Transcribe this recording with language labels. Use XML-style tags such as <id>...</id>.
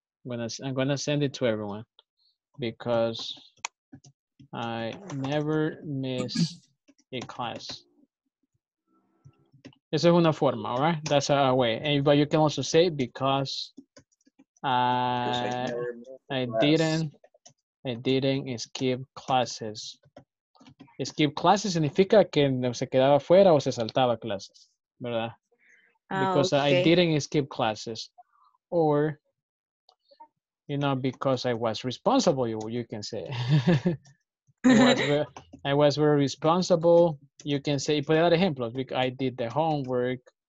<en>I'm gonna send it to everyone because I never miss a class.</en> <es>Esa es una forma,</es> <en>all right? That's a way. And, but you can also say because I didn't skip classes.</en> <es>Skip classes significa que se quedaba fuera o se saltaba clases, ¿verdad?</es> <en>Because okay. I didn't skip classes. Or, you know, because I was responsible, you can say. I was very responsible. You can say,</en> <es>y puede dar ejemplos.</es> <en>I did the homework.</en>